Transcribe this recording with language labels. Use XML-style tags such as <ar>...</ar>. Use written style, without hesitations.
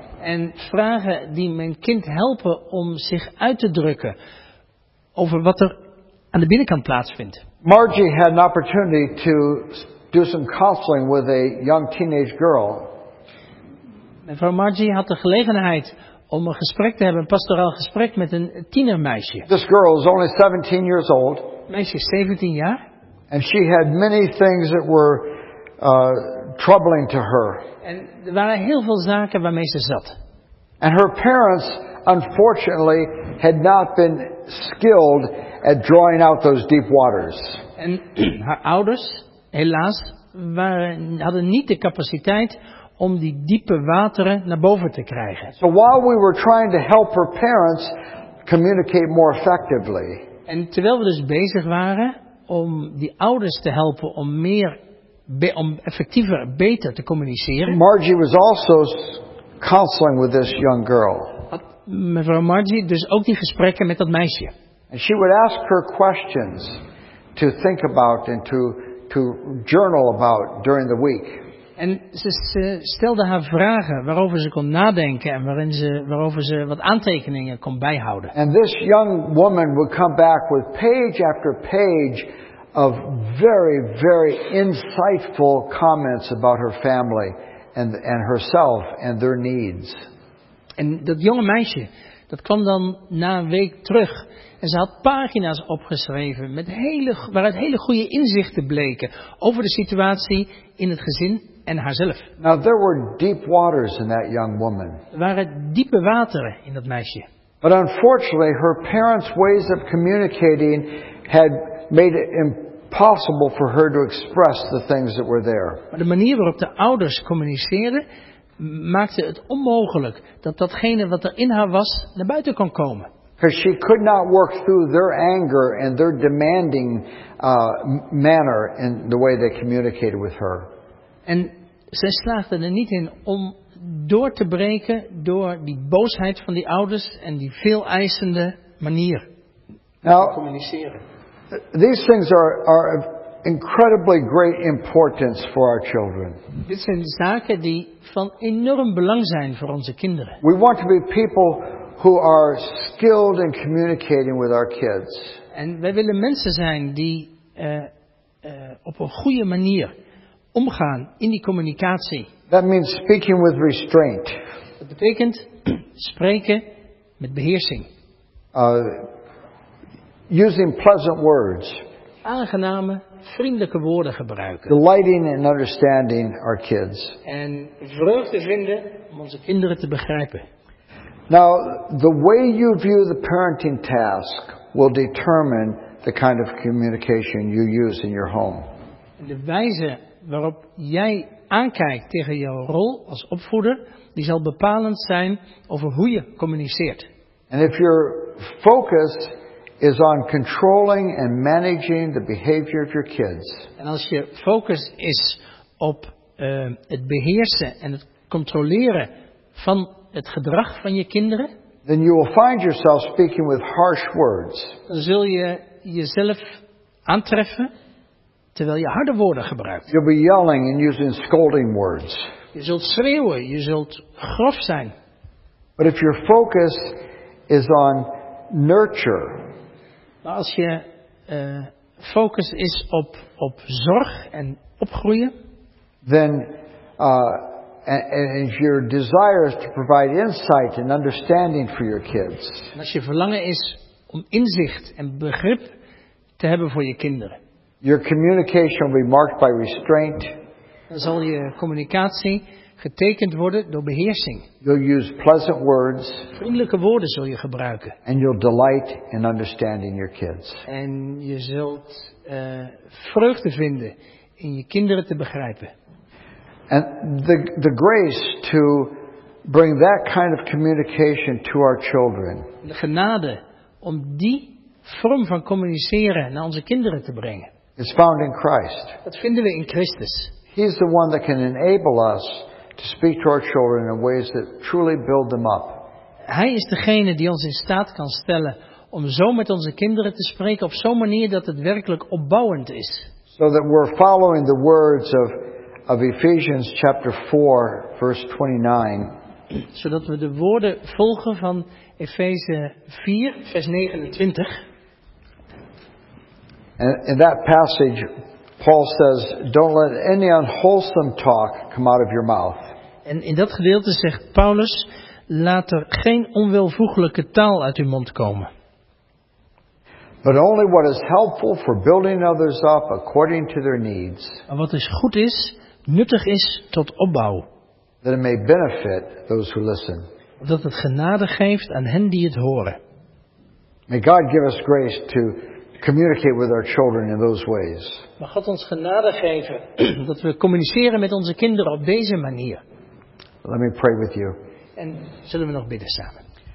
<nl>En vragen die mijn kind helpen om zich uit te drukken over wat er aan de binnenkant plaatsvindt.</nl> <en>Margie had an opportunity to do some counseling with a young teenage girl.</en> <nl>Mevrouw Margie had de gelegenheid om een gesprek te hebben, een pastoraal gesprek met een tienermeisje.</nl> <en>This girl is only 17 years old.</en> <nl>Meisje is 17 jaar.</nl> <en>And she had many things that were troubling to her.</en> <nl>En er waren heel veel zaken waarmee ze zat.</nl> <en>And her parents, unfortunately, had not been skilled at drawing out those deep waters.</en> <nl>En haar ouders, helaas, hadden niet de capaciteit om die diepe wateren naar boven te krijgen.</nl> <en>So while we were trying to help her parents communicate more effectively.</en> <nl>En terwijl we dus bezig waren om die ouders te helpen om meer om effectiever, beter te communiceren.</nl> <en>Margie was also counseling with this young girl.</en> <nl>Mevrouw Margie dus ook die gesprekken met dat meisje.</nl> <en>And she would ask her questions to think about and to journal about during the week.</en> <nl>En ze stelde haar vragen waarover ze kon nadenken en waarover ze wat aantekeningen kon bijhouden.</nl> <en>And this young woman would come back with page after page of very, very insightful comments about her family and herself and their needs.</en> <nl>En dat jonge meisje, dat kwam dan na een week terug. En ze had pagina's opgeschreven met waaruit hele goede inzichten bleken over de situatie in het gezin en haarzelf.</nl> <en>Now there were deep waters in that young woman.</en> <nl>Er waren diepe wateren in dat meisje.</nl> <en>But unfortunately, her parents' ways of communicating had made it impossible for her to express the things that were there.</en> <nl>Maar de manier waarop de ouders communiceerden maakte het onmogelijk dat datgene wat er in haar was naar buiten kon komen.</nl> <en>Because she could not work through their anger and their demanding manner in the way they communicated with her.</en> <nl>En zij slaagde er niet in om door te breken door die boosheid van die ouders en die veel eisende manier nou, te communiceren.</nl> <en>These things are of incredibly great importance for our children.</en> <nl>Dit zijn zaken die van enorm belang zijn voor onze kinderen.</nl> <en>We want to be people who are skilled in communicating with our kids.</en> <nl>En wij willen mensen zijn die op een goede manier omgaan in die communicatie.</nl> <en>That means speaking with restraint.</en> <nl>Dat betekent spreken met beheersing.</nl> <en>Using pleasant words.</en> <nl>Aangename vriendelijke woorden gebruiken.</nl> <en>Delighting and understanding our kids.</en> <nl>En vreugde vinden om onze kinderen te begrijpen.</nl> <en>Now, the way you view the parenting task will determine the kind of communication you use in your home.</en> <nl>De wijze waarop jij aankijkt tegen jouw rol als opvoeder, die zal bepalend zijn over hoe je communiceert.</nl> <en>And if your focus is on controlling and managing the behavior of your kids.</en> <nl>En als je focus is op het beheersen en het controleren van het gedrag van je kinderen,</nl> <en>then you will find yourself speaking with harsh words.</en> <nl>Dan zul je jezelf aantreffen terwijl je harde woorden gebruikt.</nl> <en>You'll be yelling and using scolding words.</en> <nl>Je zult schreeuwen, je zult grof zijn.</nl> <en>But if your focus is on nurture.</en> <nl>Maar als je focus is op zorg en opgroeien,</nl> <en>then and if your desire is to provide insight and understanding for your kids.</en> <nl>En als je verlangen is om inzicht en begrip te hebben voor je kinderen.</nl> <en>Your communication will be marked by restraint.</en> <nl>Dan zal je communicatie getekend worden door beheersing.</nl> <en>You'll use pleasant words.</en> <nl>Vriendelijke woorden zul je gebruiken.</nl> <en>And you'll delight in understanding your kids.</en> <nl>En je zult vreugde vinden in je kinderen te begrijpen.</nl> <en>And the grace to bring that kind of communication to our children.</en> <nl>De genade om die vorm van communiceren naar onze kinderen te brengen.</nl> <en>It's found in Christ.</en> <nl>Dat vinden we in Christus.</nl> <en>He's the one that can enable us to speak to our children in ways that truly build them up.</en> <nl>Hij is degene die ons in staat kan stellen om zo met onze kinderen te spreken op zo'n manier dat het werkelijk opbouwend is.</nl> <en>So that we're following the words of Ephesians chapter 4, verse 29.</en> <nl>Zodat we de woorden volgen van Efeze 4, vers 29.</nl> <en>And in that passage, Paul says, "Don't let any unwholesome talk come out of your mouth."</en> <nl>En in dat gedeelte zegt Paulus: "Laat er geen onwelvoeglijke taal uit uw mond komen."</nl> <en>But only what is helpful for building others up according to their needs.</en> <nl>Maar wat is goed is, nuttig is tot opbouw.</nl> <en>That it may benefit those who listen.</en> <nl>Dat het genade geeft aan hen die het horen.</nl> <en>May God give us grace to communicate with our children in those ways.</en> <nl>Mag God ons genade geven dat we communiceren met onze kinderen op deze manier.</nl> <en>Let me pray with you.</en> <nl>En zullen we nog bidden samen.</nl>